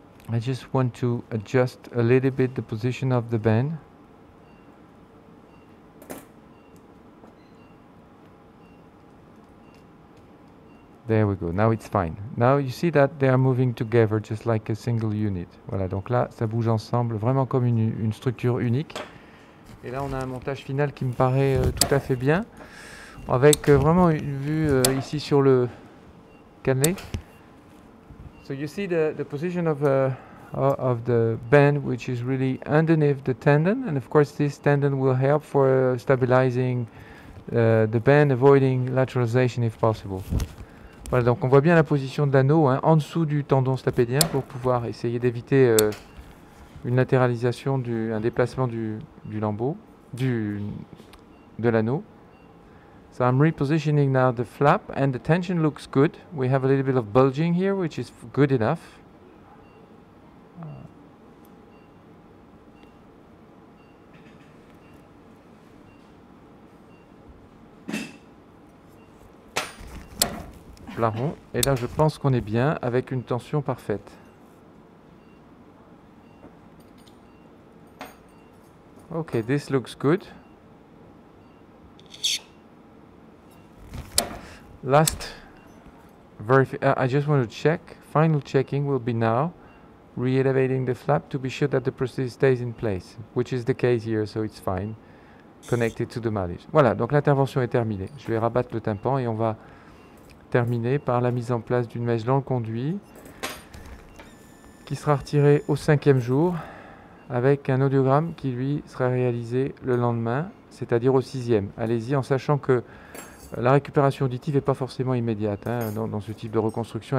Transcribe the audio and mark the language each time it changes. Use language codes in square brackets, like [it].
[en] I just want to adjust a little bit the position of the bend. There we go, now it's fine. Now you see that they are moving together just like a single unit. [fr] Voilà, donc là, ça bouge ensemble vraiment comme une structure unique. Et là, on a un montage final qui me paraît tout à fait bien, avec vraiment une vue ici sur le cannelé. [en] So you see the position of the bend, which is really underneath the tendon. And of course, this tendon will help for stabilizing the bend, avoiding lateralization if possible. [fr] Voilà, donc on voit bien la position de l'anneau, hein, en dessous du tendon stapédien pour pouvoir essayer d'éviter une latéralisation, un déplacement du lambeau, de l'anneau. [en] So I'm repositioning now the flap and the tension looks good. We have a little bit of bulging here, which is good enough. [fr] Et là, je pense qu'on est bien avec une tension parfaite. [en] Ok, this looks good. Last verification. I just want to check. Final checking will be now. Re-elevating the flap to be sure that the prosthesis stays in place, which is the case here, so it's fine. Connected to the mallet. [fr] Voilà, donc l'intervention est terminée. Je vais rabattre le tympan et on va terminé par la mise en place d'une mèche dans le conduit qui sera retirée au cinquième jour avec un audiogramme qui lui sera réalisé le lendemain, c'est-à-dire au sixième. Allez-y, en sachant que la récupération auditive n'est pas forcément immédiate hein, dans ce type de reconstruction.